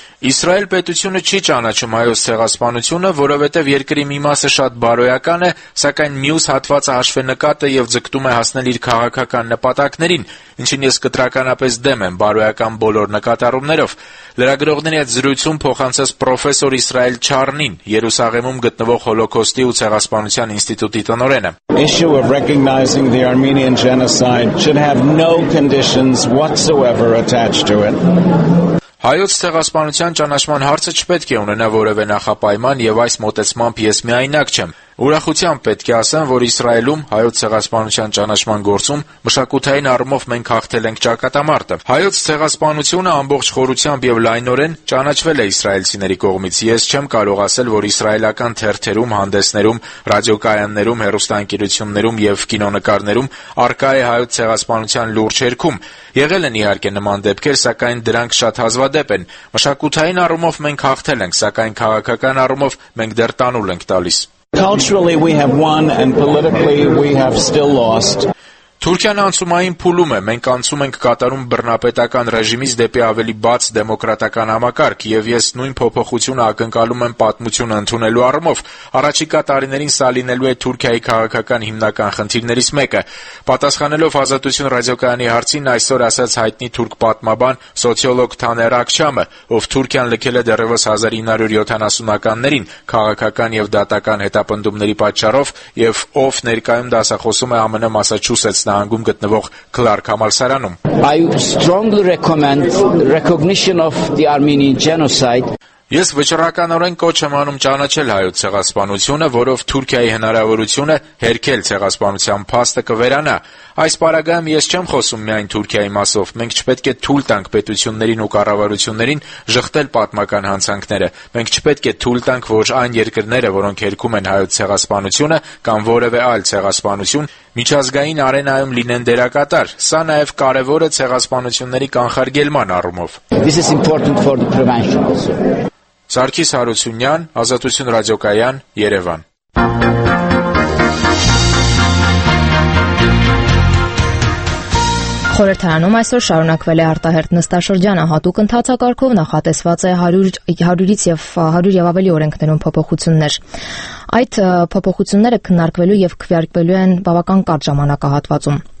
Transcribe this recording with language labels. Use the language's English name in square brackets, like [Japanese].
[Armenian] Իսրայել պետությունը չի ճանաչում հայոց ցեղասպանությունը, որովհետև երկրի մի մասը շատ բարոյական է, սակայն մյուս հատվածը հաշվենկատը և ձգտում է հասնել իր քաղաքական նպատակներին, ինչին ես կտրականապես դեմ եմ բարոյական բոլոր նկատառումներով։ Լրագրողների հետ զրույցում փոխանցեց պրոֆեսոր Իսրայել Չարնին, Երուսաղեմում գտնվող Հոլոկոստի ու ցեղասպանության ինստիտուտի տնօրենը։ [English] Issue of recognizing the Armenian genocide should have no conditions whatsoever attached to it. [Armenian] Հայոց ցեղասպանության ճանաչման հարցը չպետք է ունենա որևէ նախապայման և այս մոտեցմամբ ես միայնակ չեմ։ Ուրախությամբ պետք է ասեմ, որ Իսրայելում հայոց ցեղասպանության ճանաչման գործում մշակութային առումով մենք հաղթել ենք ճակատամարտը։ Հայոց ցեղասպանությունը ամբողջ խորությամբ և լայնորեն ճանաչվել է իսրայելցիների կողմից։ Ես չեմ կարող ասել, որ իսրայելական թերթերում, հանդեսներում, ռադիոկայաններում, հեռուստաընկերություններում և կինոնկարներում առկա է հայոց ցեղասպանության լուրջ երգում։ Եղել են իհարկե նման դեպքեր, սակայն դրանք շատ հազվադեպ են։ Մշակութային առումով մենք հաղթել ենք, սակայն քաղաքական առումով մենք դեռ տանուլ ենք տալիս։ [English] Culturally we have won and politically we have still lost. [Armenian] Թուրքիան անցումային փուլում է, մենք անցում ենք կատարում բռնապետական ռեժիմից դեպի ավելի բաց դեմոկրատական համակարգ, եւ ես նույն փոփոխությունը ակնկալում եմ պատմությունը ընդունելու առումով։ Առաջիկա տարիներին սա լինելու է Թուրքիայի քաղաքական հիմնական խնդիրներից մեկը։ Պատասխանելով Ազատություն ռադիոկայանի հարցին, այսօր ասաց հայտնի թուրք պատմաբան սոցիոլոգ Թաներ Ակչամը, ով Թուրքիան լքել է դեռևս 1970-ականներին քաղաքական եւ դատական հետապնդումների պատճառով եւ ով ներկայում դասախոսում է ԱՄՆ Մասաչուսեթս նահանգում գտնվող Կլարկ համալսարանում. [English] I strongly recommend recognition of the Armenian genocide. [Armenian] Ես վճռականորեն կոչ եմ անում ճանաչել հայոց ցեղասպանությունը, որով Թուրքիայի հնարավորությունը հերքել ցեղասպանության փաստը կվերանա։ Այս պարագայում ես չեմ խոսում միայն Թուրքիայի մասով, մենք չպետք է թույլ տանք պետություններին ու կառավարություններին ժխտել պատմական հանցանքները։ Մենք չպետք է թույլ տանք, որ այն երկրները, որոնք հերքում են հայոց ցեղասպանությունը կամ որևէ այլ ցեղասպանություն, միջազգային արենայում լինեն դերակատար։ Սա նաև կարևոր է ցեղասպանությունների կանխարգելման առումով։ [English] This is important for the prevention also. [Armenian] Սարգիս Հարությունյան, Ազատություն ռադիոկայան, Երևան։ Խորհրդարանում այսօր շարունակվել է արտահերթ նստաշրջանը, հատուկ ընթացակարգով նախատեսված է 100 ավելի օրենքներում փոփոխություններ։ Այդ փոփոխությունները քննարկվելու եւ քվեարկվելու են բավական կարճ ժամանակահատվածում։